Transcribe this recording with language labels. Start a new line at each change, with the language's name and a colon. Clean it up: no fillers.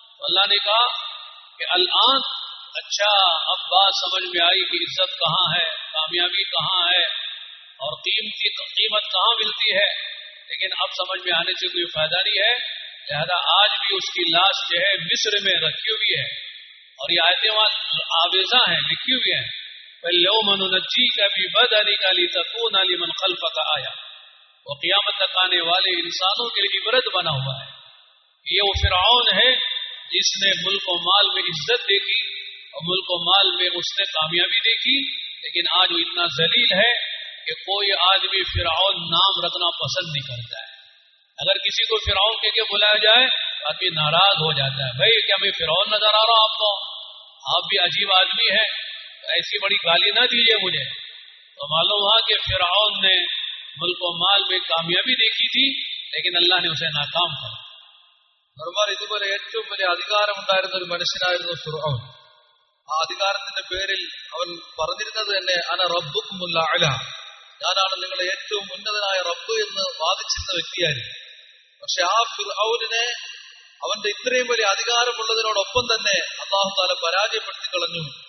Urdu: اللہ نے کہا کہ الان, اچھا اب بات سمجھ میں آئی کہ عزت کہاں ہے, کامیابی کہاں ہے اور قیمت کہاں ملتی ہے. لیکن اب سمجھ میں آنے سے کوئی فائدہ نہیں ہے, لہذا آج بھی اس کی لاش جو ہے مصر میں رکھی ہوئی ہے. اور یہ آیتیں وہاں آویزہ ہیں, لکھی ہوئی ہیں.
Arabic: اليوم ننجيك ببدنك لتكون لمن خلفك آية.
Urdu: وقیامت تک آنے والے انسانوں کے لیے عبرت بنا ہوا ہے. یہ وہ فرعون ہے جس نے ملک و مال میں عزت دیکھی مال میں اس نے کامیابی دیکھی, لیکن آج وہ اتنا ذلیل ہے کہ کوئی آدمی فرعون نام رکھنا پسند نہیں کرتا ہے. اگر کسی کو فرعون کہہ کے بلایا جائے آدمی ناراض ہو جاتا ہے, بھائی کیا میں فرعون نظر آ رہا ہوں آپ کو, آپ بھی عجیب آدمی ہے, ایسی بڑی گالی نہ دیجیے مجھے. تو معلوم ہوا کہ فرعون نے ملک و مال میں کامیابی دیکھی تھی لیکن اللہ نے اسے ناکام کر.
Malayalam: ഫർമാർ ഇതുപോലെ ഏറ്റവും വലിയ അധികാരം ഉണ്ടായിരുന്ന ഒരു മനുഷ്യനായിരുന്നു ഫിർഔൻ. ആ അധികാരത്തിന്റെ പേരിൽ അവൻ പറഞ്ഞിരുന്നത് തന്നെ
Arabic: അന റബ്ബുക്കുമുൽ അഅല,
Malayalam: ഞാനാണ് നിങ്ങളെ ഏറ്റവും ഉന്നതനായ റബ്ബ് എന്ന് വാദിച്ചിരുന്ന വ്യക്തിയായിരുന്നു. പക്ഷെ ആ ഫിർഔനെ അവന്റെ ഇത്രയും വലിയ അധികാരമുള്ളതിനോടൊപ്പം തന്നെ അല്ലാഹു തആല പരാജയപ്പെടുത്തി കളഞ്ഞു.